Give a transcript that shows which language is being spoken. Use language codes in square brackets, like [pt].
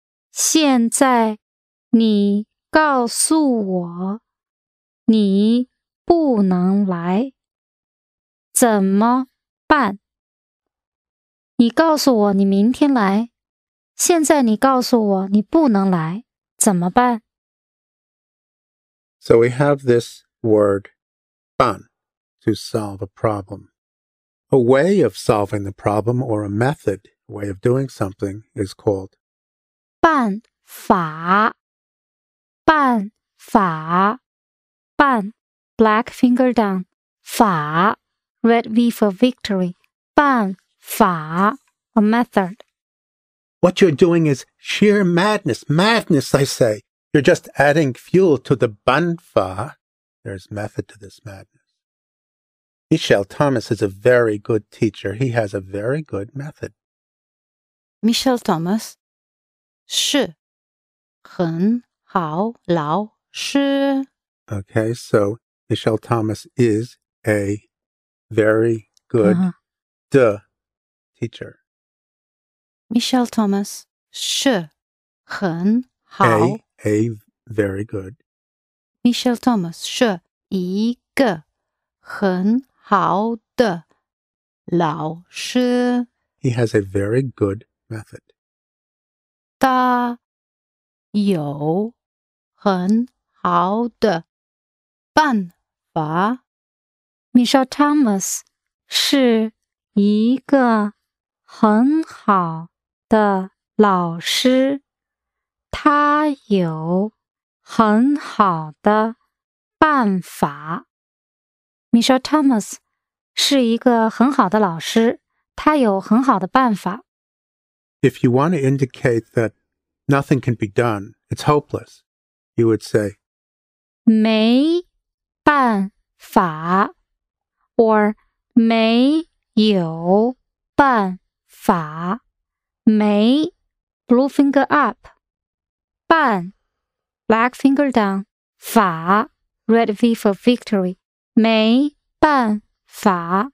[zh] 现在你告诉我你不能来。怎么办？你告诉我你明天来。现在你告诉我你不能来。怎么办? [en] So we have this word, 办, to solve a problem. A way of solving the problem or a method. Way of doing something is called 办法办法办 black finger down 法 red V for victory 办法 a method What you're doing is sheer madness madness I say you're just adding fuel to the 办法 there's method to this madness Michel Thomas is a very good teacher he has a very good method [zh] Michel Thomas 是很好老师。 [en] Okay, so Michel Thomas is a very good teacher. [zh] Michel Thomas 是很好。 [en] A very good. [zh] Michel Thomas 是一个很好的老师。 [en] He has a very good. Method. [zh] 他有很好的办法。 Michel Thomas 是一个很好的老师。他有很好的办法。 Michel Thomas 是一个很好的老师。他有很好的办法。 [en] If you want to indicate that nothing can be done, it's hopeless, you would say 没办法 or 没有办法没 blue finger up 办 black finger down 法 red V for victory 没办法